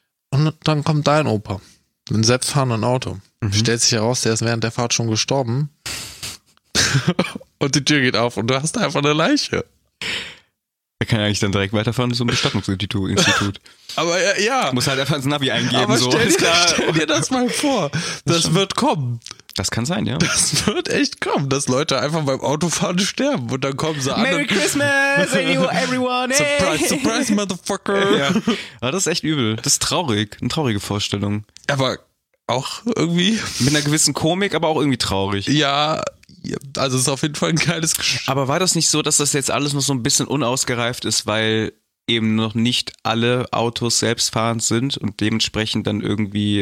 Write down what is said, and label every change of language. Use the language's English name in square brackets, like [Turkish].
[German] Und dann kommt dein Opa, mit einem selbstfahrenden Auto, stellt sich heraus, der ist während der Fahrt schon gestorben und die Tür geht auf und du hast einfach eine Leiche. Er kann eigentlich dann direkt weiterfahren zum Bestattungsinstitut. Aber ja. Muss halt einfach ins Navi eingeben. Aber stell dir das mal vor. Das wird kommen. Das kann sein, ja. Das wird echt kommen, dass Leute einfach beim Autofahren sterben und dann kommen sie an. [English] Merry Christmas, everyone. Surprise, surprise, motherfucker. [German] Ja. Aber das ist echt übel. Das ist traurig. Eine traurige Vorstellung. Aber auch irgendwie. Mit einer gewissen Komik, aber auch irgendwie traurig. Ja. Also es ist auf jeden Fall ein geiles Geschenk. Aber war das nicht so, dass das jetzt alles noch so ein bisschen unausgereift ist, weil eben noch nicht alle Autos selbstfahrend sind und dementsprechend dann irgendwie...